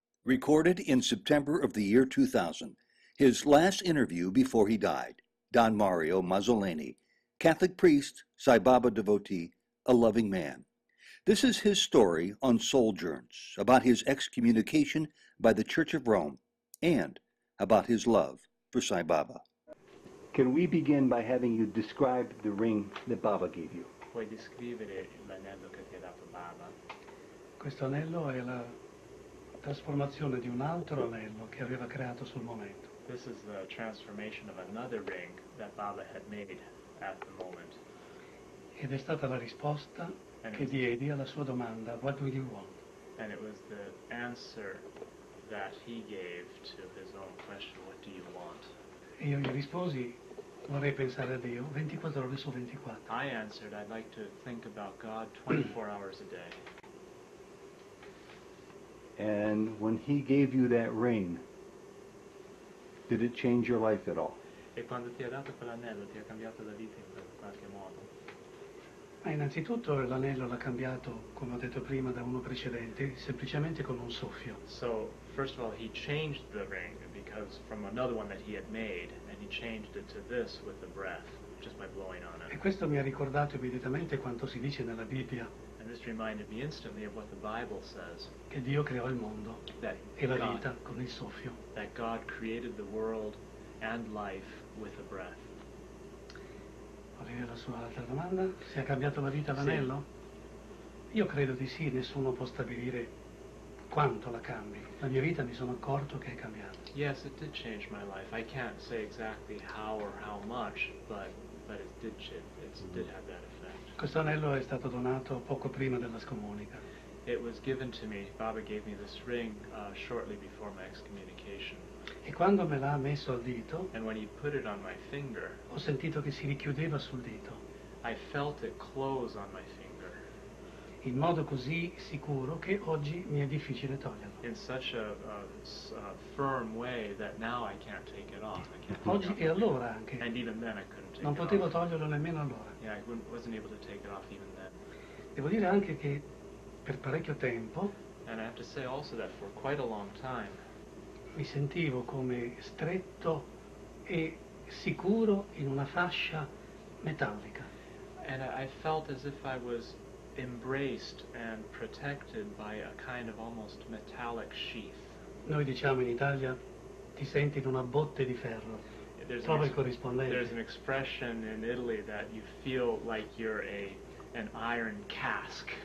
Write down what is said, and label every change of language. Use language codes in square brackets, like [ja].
[en] Recorded in September of the year 2000, his last interview before he died, Don Mario Mazzoleni, Catholic priest, Sai Baba devotee, a loving man. This is his story on Souljourns, about his excommunication by the Church of Rome, and about his love for Sai Baba. Can we begin by having you describe the ring that Baba gave you? [it] Puoi descrivere l'anello che ti ha dato Baba? Questo anello è la trasformazione di un altro anello che aveva creato sul momento. [en] This is the transformation of another ring that Baba had made at the moment. [it] Ed è stata la risposta che diedi alla sua domanda, [en] what do you want? And it was the answer that he gave to his own question, what do you want? [it] E io gli risposi, vorrei pensare a Dio, 24 ore su 24. [en] I answered, I'd like to think about God 24 hours a day. And when he gave you that ring, did it change your life at all? [it] E quando ti ha dato quell'anello, ti ha cambiato la vita in qualche modo? Ma innanzitutto l'anello l'ha cambiato, come ho detto prima, da uno precedente, semplicemente con un soffio. [en] So, first of all, he changed the ring because from another one that he had made, and he changed it to this with a breath, just by blowing on it. [it] E questo mi ha ricordato immediatamente quanto si dice nella Bibbia. [en] And this reminded me instantly of what the Bible says. [it] Che Dio creò il mondo e la vita con il soffio. [en] That God created the world and life with a breath. [it] Qual era la sua altra domanda? Si è cambiato la vita l'anello? Sì. Io credo di sì, nessuno può stabilire quanto la cambi. La mia vita mi sono accorto che è cambiata. [en] Yes, it did change my life. I can't say exactly how or how much, but it did change. It did have that effect. [it] Questo anello è stato donato poco prima della scomunica. [en] It was given to me. Baba gave me this ring shortly before my excommunication. [it] E quando me l'ha messo al dito, [en] and when he put it on my finger, [it] ho sentito che si richiudeva sul dito. [en] I felt it close on my finger. [it] In modo così sicuro che oggi mi è difficile toglierlo. [en] In such a firm way that now I can't take it off. [it] Oggi e allora anche. [en] And even then I couldn't take [it] it. Non potevo toglierlo nemmeno allora. [en] Yeah, I wasn't able to take it off even then. [it] Devo dire anche che per parecchio tempo. [en] And I have to say also that for quite a long time. [it] Mi sentivo come stretto e sicuro in una fascia metallica. [en] And I felt as if I was embraced and protected by a kind of almost metallic sheath. [it] Noi diciamo in Italia, ti senti in una botte di ferro. Trova il corrispondente. [en] There's an expression in Italy that you feel like you're an iron cask.